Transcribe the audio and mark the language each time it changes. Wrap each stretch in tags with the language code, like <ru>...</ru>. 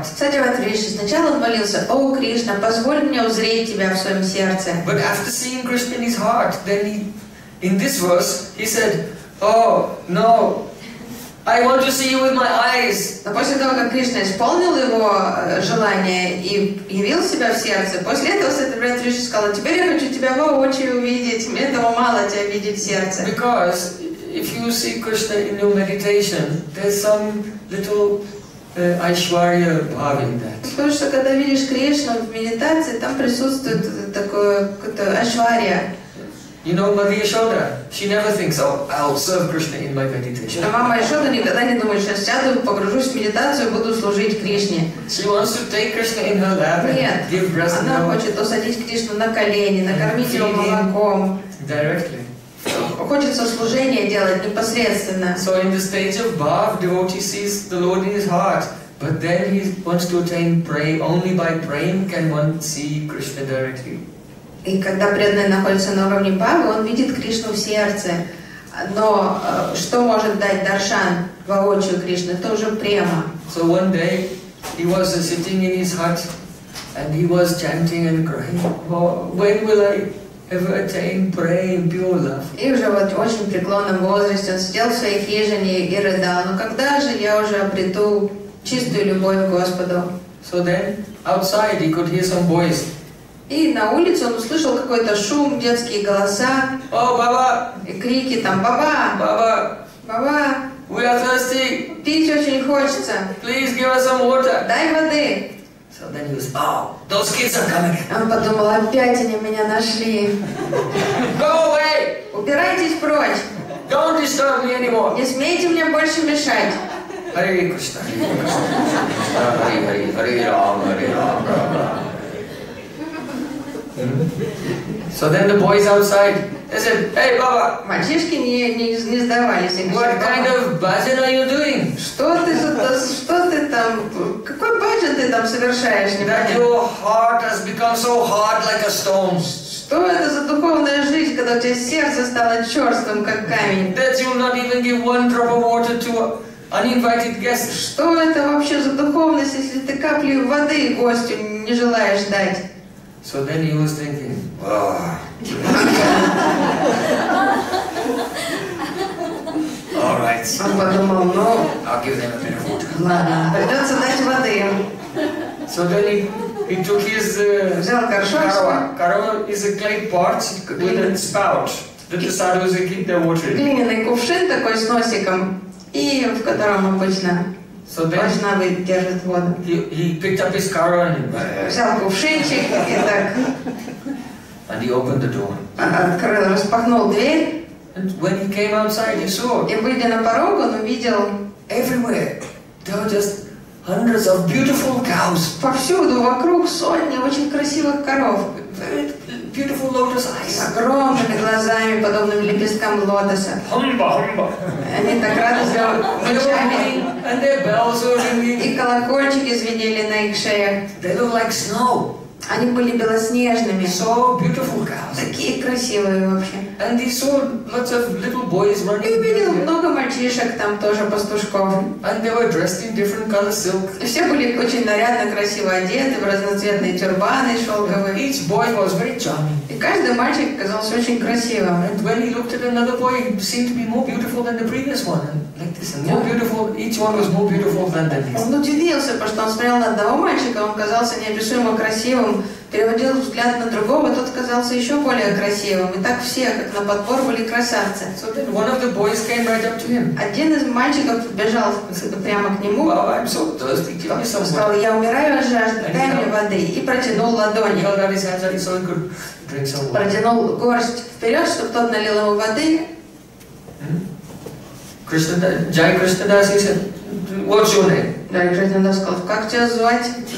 <ru>Satyavad Rishi сначала молился, О, Кришна, позволь мне узреть тебя в своем сердце.</ru> <en>But after seeing Krishna in his heart, then he, in this verse, he said, Oh, no, I want to see you with my eyes.</en> <ru>Но после того, как Кришна исполнил его желание и явил себя в сердце, после этого Satyavad Rishi сказал, теперь я хочу тебя воочию увидеть, мне этого мало тебя видеть в сердце.</ru> <en>Because if you see Krishna in your meditation, there's some little Aishwarya bhav in that.</en> <ru>Потому что когда видишь Кришну в медитации, там присутствует такое какое-то Aishwarya.</ru> <en>You know, Mother Yashoda, she never thinks, oh, I'll serve Krishna in my meditation.</en> <ru>Но мама Яшода никогда не думает, сейчас сяду, погружусь в медитацию, буду служить Кришне.</ru> <en>She wants to take Krishna in her lap and give breast milk.</en> <ru>Нет, она хочет усадить Кришну на колени, накормить его молоком.</ru> <en>Directly.</en> <ru>Хочется служение делать непосредственно.</ru> <en>So in the stage of bhav, devotee sees the Lord in his heart, but then he wants to attain prem. Only by prem can one see Krishna directly.</en> <ru>И когда преданный находится на уровне бхавы, он видит Кришну в сердце. Но что может дать даршан воочию Кришны? Это уже према.</ru> <en>So one day he was sitting in his hut and he was chanting and crying. When will I ever attain prem, pure love?</en> <ru>И уже вот в очень преклонном возрасте он сидел в своей хижине и рыдал. Но когда же я уже обрету чистую любовь к Господу?</ru> <en>So then, outside he could hear some boys.</en> <ru>И на улице он услышал какой-то шум, детские голоса. О, баба! И крики там, баба! Баба! Баба!</ru> <en>We are thirsty.</en> <ru>Пить очень хочется.</ru> <en>Please give us some water.</en> <ru>Дай воды.</ru> <en>So then he was, wow, those kids are coming.</en> <ru>Он подумал, опять они меня нашли.</ru> <en>Go away!</en> <ru>Убирайтесь прочь!</ru> <en>Don't disturb me anymore.</en> <ru>Не смейте мне больше мешать.</ru> <sa>Hare Krishna, Hare Krishna, Krishna, Hare Hare, Hare Rama, Hare Rama.</sa> <en>So then the boys outside, they said, Hey, Baba!</en> <ru>Мальчишки не сдавались.</ru> <en>What kind of bhajan are you doing?</en> <ru>Что ты там? Какой bhajan ты там совершаешь?</ru> <en>That your heart has become so hard like a stone. Что это за духовная жизнь, когда у тебя сердце стало черствым, как камень? That you will not even give one drop of water to Uninvited guest.</en> <ru>Что это вообще за духовность, если ты капли воды гостю не желаешь дать?</ru> <en>So then he was thinking, oh. All right.</en> <ru>Он подумал, ну,</ru> <en>I'll give them a bit of water.</en> <ru>Ладно, придется дать воды.</ru> <en>So then he took his</en> <ru>взял горшок.</ru> <en>Корова is a clay pot with a spout. That the sadhus keep their water.</en> <ru>Глиняный кувшин такой с носиком, и в котором обычно</ru> <en>so then,</en> <ru>важна вы держит воду.</ru> <en>He picked up his carrot and</en> <ru>взял кувшинчик и так.</ru> <en>And he opened the door.</en> <ru>Открыл, распахнул дверь.</ru> <en>And when he came outside, he saw.</en> <ru>И выйдя на порог, он увидел.</ru> <en>Everywhere there were just hundreds of beautiful cows.</en> <ru>Повсюду вокруг сотни очень красивых коров.</ru> <en>Beautiful lotus eyes.</en> <ru>Огромными глазами, подобными лепесткам лотоса.</ru> <en>Humba, humba.</en> <ru>Они так радостно звучали.</ru> <en>And their bells were ringing.</en> <ru>И колокольчики звенели на их шеях.</ru> <en>They looked like snow.</en> <ru>Они были белоснежными.</ru> <en>So beautiful cows.</en> <ru>Такие красивые вообще.</ru> <en>And he saw lots of little boys running.</en> <ru>И увидел много мальчишек там тоже пастушков.</ru> <en>And they were dressed in different color silk.</en> <ru>Все были очень нарядно, красиво одеты в разноцветные тюрбаны шелковые.</ru> <en>And each boy was very charming.</en> <ru>И каждый мальчик казался очень красивым.</ru> <en>And when he looked at another boy, he seemed to be more beautiful than the previous one. Like this, and more beautiful. Each one was more beautiful than the next.</en> <ru>Он удивился, потому что он смотрел на одного мальчика, он казался неописуемо красивым. Переводил взгляд на другого, тот казался еще более красивым. И так все, как на подбор, были красавцы.</ru> <en>So then one of the boys came right up to him.</en> <ru>Один из мальчиков бежал прямо к нему.</ru> <en>Wow, I'm so thirsty. Give me some water.</en> <ru>Сказал, я умираю от жажды, дай мне воды. И протянул ладони.</ru> <en>He held his hands and he saw he could drink some water.</en> <ru>Протянул горсть вперед, чтобы тот налил ему воды.</ru> <en>Джай Кришнадас, he said, what's your name?</en> <ru>Джай Кришнадас сказал, как тебя звать?</ru>